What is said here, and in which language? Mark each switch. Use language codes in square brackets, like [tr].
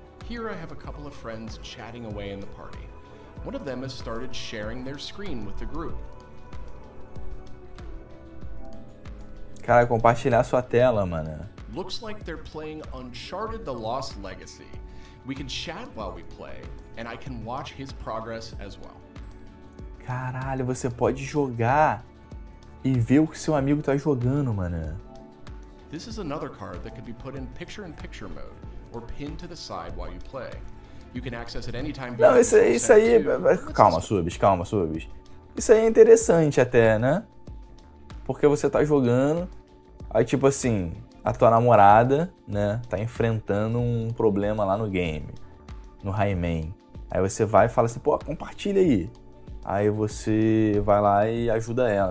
[en] Here I have a couple of friends chatting away in the party. One of them has started sharing their screen with the group. [pt] Cara, compartilhar sua tela, mano. [en] Looks like they're playing Uncharted The Lost Legacy. We can chat while we play, and I can watch his progress as well. [pt] Caralho, você pode jogar e ver o que seu amigo tá jogando, mano. [en] This is another card that can be put in picture-in-picture mode or pinned to the side while you play. You can access it anytime. [pt] Não, isso aí, calma, Subs. Isso aí é interessante até, né? Porque você tá jogando, aí tipo assim, a tua namorada, né, tá enfrentando um problema lá no game, no Rayman. Aí você vai e fala assim, pô, compartilha aí. Aí você vai lá e ajuda ela.